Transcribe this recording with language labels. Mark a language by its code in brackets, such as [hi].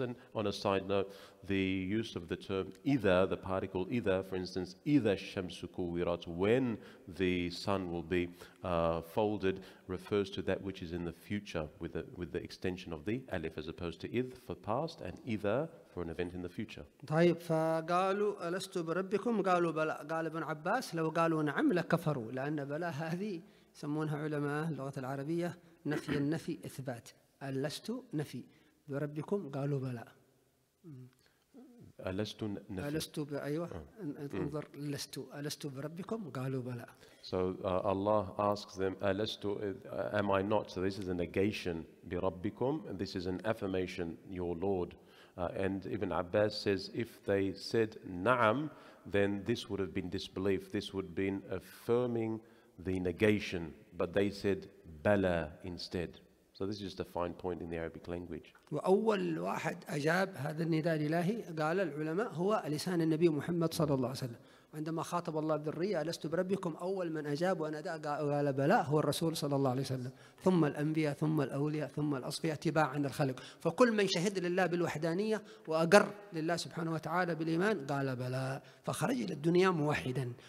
[en] And on a side note, the use of the term either, the particle either, for instance, [ar] either shamsu kuwirat, [en] when the sun will be folded, refers to that which is in the future with the extension of the alif, as opposed to idh for past and either for an event in the future. [ar] طيب فقالوا ألست بربكم قالوا بلى قال ابن عباس لو قالوا نعم لكفروا لأن بلى هذه يسمونها علماء اللغة العربية نفي النفي إثبات. ألست نفي بربكم؟ قالوا بلى. ألست نفي؟ ألست أيوة. انظر لست. ألست بربكم؟ قالوا بلى. [en] So Allah asks them, ألست, am I not? So this is a negation بربكم. This is an affirmation, your Lord. And Ibn Abbas says, if they said نعم, then this would have been disbelief. This would have been affirming the negation. But they said بلى instead. So this is just a fine point in the Arabic language. [ar] وأول واحد أجاب هذا النداء الإلهي قال العلماء هو لسان النبي محمد صلى الله عليه وسلم. عندما خاطب الله بالرية ألست بربكم، أول من أجاب ونداء قال بلى هو الرسول صلى الله عليه وسلم، ثم الأنبياء، ثم الأولياء، ثم الأصفياء اتباعا للخلق. فكل من شهد لله بالوحدانية وأقر لله سبحانه وتعالى بالإيمان قال بلى، فخرج إلى الدنيا موحدا.